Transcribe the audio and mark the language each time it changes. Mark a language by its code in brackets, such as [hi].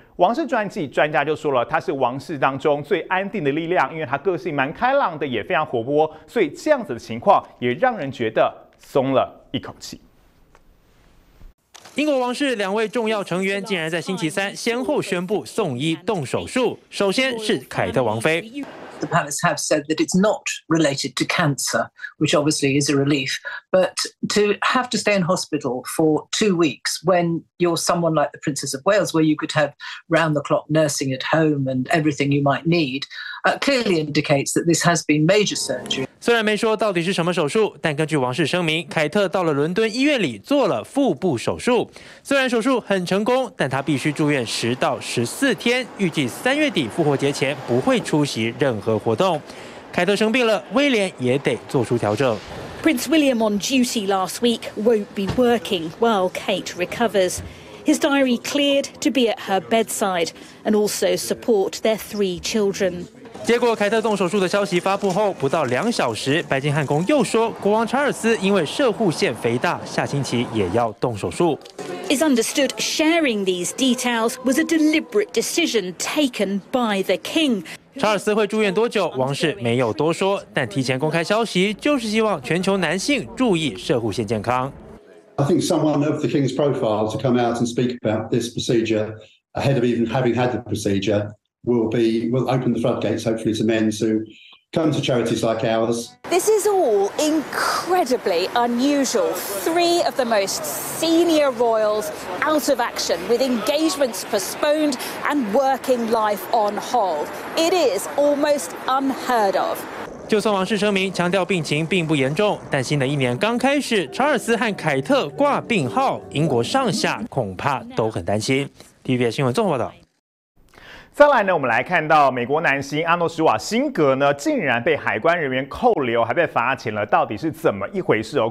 [zh] 王室专家就说了，他是王室当中最安定的力量，因为他个性蛮开朗的，也非常活泼，所以这样子的情况也让人觉得松了一口气。英国王室两位重要成员竟然在星期三先后宣布送医动手术，首先是凯特王妃。 [en] The palace have said that it's not related to cancer, which obviously is a relief. But to have to stay in hospital for 2 weeks when you're someone like the Princess of Wales, where you could have round-the-clock nursing at home and everything you might need, clearly indicates that this has been major surgery. [zh] 虽然没说到底是什么手术，但根据王室声明，凯特到了伦敦医院里做了腹部手术。虽然手术很成功，但她必须住院10到14天，预计3月底复活节前不会出席任何活动。凯特生病了，威廉也得做出调整。 [en] Prince William on duty last week won't be working while Kate recovers. His diary cleared to be at her bedside and also support their 3 children. [zh] 结果凯特动手术的消息发布后，不到2小时，白金汉宫又说，国王查尔斯因为射护腺肥大，下星期也要动手术。 [en] It's understood sharing these details was a deliberate decision taken by the king. [zh] 查尔斯会住院多久，王室没有多说，但提前公开消息就是希望全球男性注意射护腺健康。 [en] I think someone of the King's profile to come out and speak about this procedure ahead of even having had the procedure will open the floodgates hopefully to men to come to charities like ours. This is all incredibly unusual. 3 of the most senior royals out of action with engagements postponed and working life on hold. It is almost unheard of. [zh] 就算王室声明强调病情并不严重，但新的一年刚开始，查尔斯和凯特挂病号，英国上下恐怕都很担心。 TVBS 新闻综合报道。再来呢，我们来看到美国男星阿诺施瓦辛格呢，竟然被海关人员扣留，还被罚钱了，到底是怎么一回事哦？